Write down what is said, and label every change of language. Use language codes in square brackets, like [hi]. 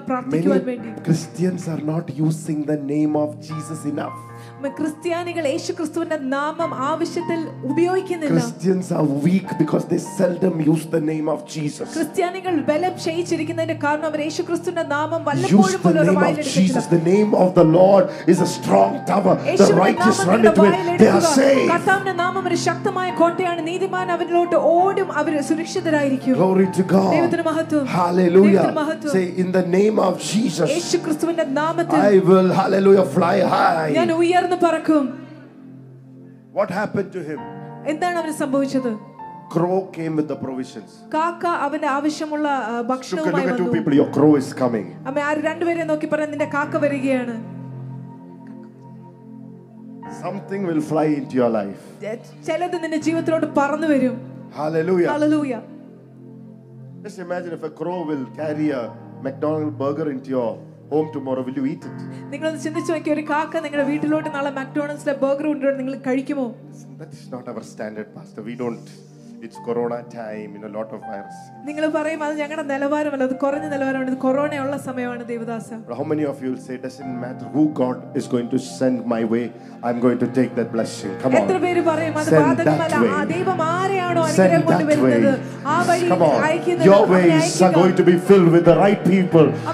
[en] Christians are not using the name of Jesus enough. [ml] ക്രിസ്ത്യാനികൾ യേശുക്രിസ്തുവിന്റെ നാമം ആവശ്യത്തിൽ ഉപയോഗിക്കുന്നില്ല. [en] Christians are weak because they seldom use the name of Jesus. [ml] ക്രിസ്ത്യാനികൾ ബലം ക്ഷയിച്ചിരിക്കുന്നതിന്റെ കാരണം അവർ യേശുക്രിസ്തുവിന്റെ നാമം വല്ലപ്പോഴും പോലും വായിലെടുക്കുന്നില്ല. [en] The name of the Lord is a strong tower. The righteous run into it. They are safe. [ml] കർത്താവിന്റെ നാമം ഒരു ശക്തമായ കോട്ടയാണ്. നീതിമാൻ അവനിലോട്ട് ഓടും, അവർ സുരക്ഷിതരായിരിക്കും. [en] Glory to God. [ml] ദൈവത്തിന് മഹത്വം. [en] Hallelujah. Say in the name of Jesus. [ml] യേശുക്രിസ്തുവിന്റെ നാമത്തിൽ. [en] I will hallelujah fly high. [ml] പറക്കും. [en] What happened to him? [ml] എന്താണ് അവന് സംഭവിച്ചത്? [en] Crow came with the provisions. [ml] കാക്ക അവന്റെ ആവശ്യമുള്ള ഭക്ഷണവുമായി വന്നു. [en] Two people, your crow is coming. [ml] അമ്മേ, ആ രണ്ടുപേരെ നോക്കി പറഞ്ഞു, നിന്റെ കാക്ക വരികയാണ്. [en] Something will fly into your life. [ml] ചിലത് നിന്റെ ജീവിതത്തിലോട്ട് പറന്നു വരും. [en] Hallelujah. Hallelujah. Just imagine if a crow will carry a McDonald's burger into your home tomorrow, will you eat it? [ml] നിങ്ങൾ ചിന്തിച്ചു നോക്കിയ ഒരു കാക്ക നിങ്ങളുടെ വീട്ടിലോട്ട് നാളെ മക്ഡോണൽഡ്സിലെ ബർഗർ ഉണ്ടോ നിങ്ങൾ കഴിക്കുമോ? [en] That is not our standard, pastor. We don't. It's corona time, you know, lot of virus. [ml] നിങ്ങൾ പറയും, അത് ഞങ്ങളുടെ നിലവാരമല്ല, അത് കുറഞ്ഞ നിലവാരമാണ്, ഇത് കൊറോണ ഉള്ള സമയമാണ്. ദേവദാസ, [en] how many of you will say, doesn't matter who God is going to send my way, I'm going to take that blessing. Come on. [ml] എത്ര പേര് പറയും, അത് ബാധകമല്ല, ആ ദൈവം ആരെയാണോ അനുഗ്രഹം കൊണ്ട് വരുന്നത് ആ വഴി അയക്കുന്നത്. [en] Your ways are going to be filled with the right people.